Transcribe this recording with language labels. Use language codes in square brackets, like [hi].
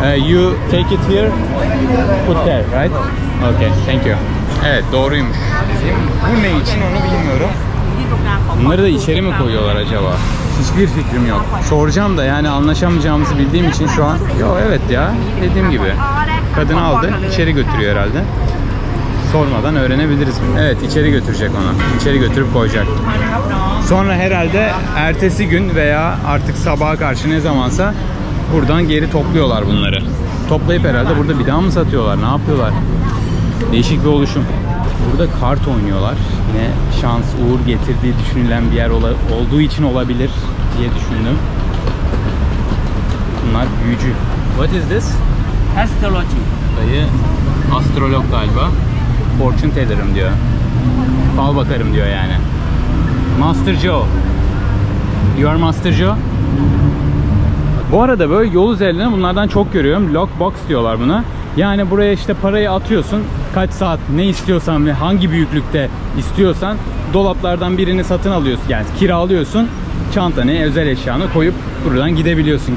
[en] You take it here, put there, right? Okay, thank you. [tr] Evet, doğruymuş. Bu ne için onu bilmiyorum. Bunları da içeri mi koyuyorlar acaba? Hiçbir fikrim yok. Soracağım da yani anlaşamayacağımızı bildiğim için şu an... Yok evet ya, dediğim gibi. Kadını aldı, içeri götürüyor herhalde. Sormadan öğrenebiliriz. Evet, içeri götürecek onu. İçeri götürüp koyacak. Sonra herhalde ertesi gün veya artık sabaha karşı ne zamansa buradan geri topluyorlar bunları. Toplayıp herhalde burada bir daha mı satıyorlar, ne yapıyorlar? Değişik bir oluşum. Burada kart oynuyorlar. Yine şans, uğur getirdiği düşünülen bir yer olduğu için olabilir diye düşündüm. Bunlar büyücü. [en] What is this? Astrology. [tr] Dayı astrolog galiba. Fortune teller'ım diyor. Fal bakarım diyor yani. [en] Master Joe. You are Master Joe? [tr] Bu arada böyle yol üzerinde bunlardan çok görüyorum. Lockbox diyorlar buna. Yani buraya işte parayı atıyorsun. Kaç saat ne istiyorsan ve hangi büyüklükte istiyorsan dolaplardan birini satın alıyorsun. Yani kiralıyorsun. Çantanı, özel eşyanı koyup buradan gidebiliyorsun.